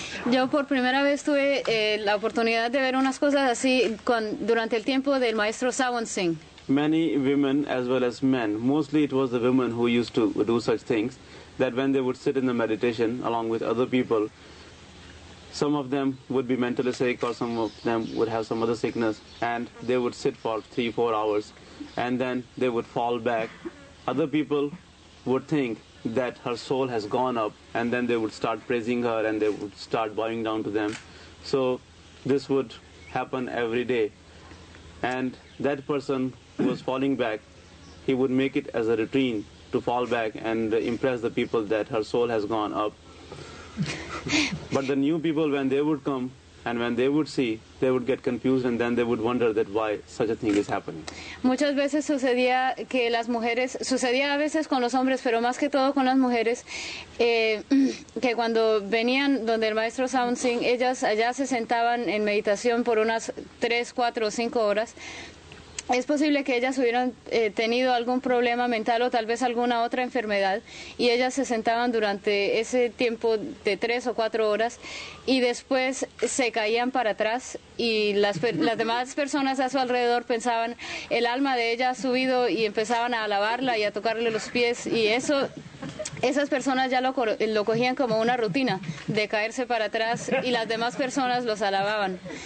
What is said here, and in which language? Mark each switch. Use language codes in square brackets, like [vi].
[es] Yo por primera vez tuve la oportunidad de ver unas cosas así durante el tiempo del maestro Savan Singh. [en] Many women as well as men, mostly it was the women who used to do such things. That when they would sit in the meditation along with other people, some of them would be mentally sick or some of them would have some other sickness and they would sit for 3-4 hours and then they would fall back. Other people would think that her soul has gone up and then they would start praising her and they would start bowing down to them. So this would happen every day. And that person who was falling back, he would make it as a routine. To fall back and impress the people that her soul has gone up. But the new people, when they would come and when they would see, they would get confused and then they would wonder that why such a thing is happening. [es] Muchas veces sucedía que las mujeres, sucedía a veces con los hombres, pero más que todo con las mujeres, que cuando venían donde el maestro Savan Singh, ellas allá se sentaban en meditación por unas 3, 4, 5 horas. Es posible que ellas hubieran tenido algún problema mental o tal vez alguna otra enfermedad y ellas se sentaban durante ese tiempo de 3 o 4 horas y después se caían para atrás y las demás personas a su alrededor pensaban el alma de ella ha subido y empezaban a alabarla y a tocarle los pies y eso, esas personas ya lo cogían como una rutina de caerse para atrás y las demás personas los alababan.